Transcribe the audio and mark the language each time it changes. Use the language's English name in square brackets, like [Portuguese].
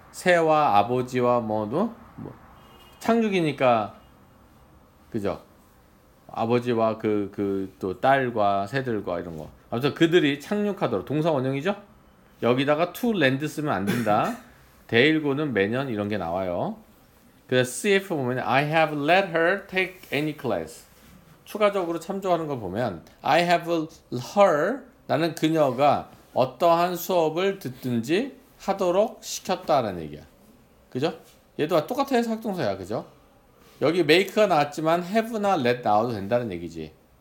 [Korean] 새와 아버지와 뭐도 뭐 착륙이니까 그죠? 아버지와 그 딸과 새들과 이런 거. 아무튼 그들이 착륙하도록 동사 원형이죠? 여기다가 to land 쓰면 안 된다. 대일고는 매년 이런 게 나와요. 그래서 CF 보면 [English] I have let her take any class. [Korean] 추가적으로 참조하는 거 보면 [English] I have her, [Korean] 나는 그녀가 어떠한 수업을 듣든지 하도록 시켰다라는 얘기야. 그죠? 얘도 똑같아 해서 활동사야. 그죠? 여기 make가 나왔지만 have나 let 나와도 된다는 얘기지.